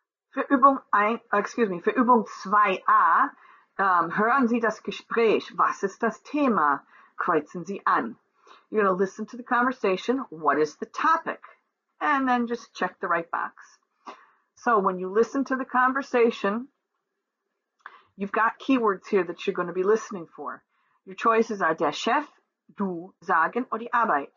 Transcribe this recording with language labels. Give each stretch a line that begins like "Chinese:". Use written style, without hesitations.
German: Für Übung ein,
English: excuse me,
German: für Übung 2a, hören Sie das Gespräch. Was ist das Thema? Kreuzen Sie an.
English: You're going to listen to the conversation. What is the topic? And then just check the right box. So when you listen to the conversation, you've got keywords here that you're going to be listening for. Your choices are der Chef, du, sagen, or die Arbeit.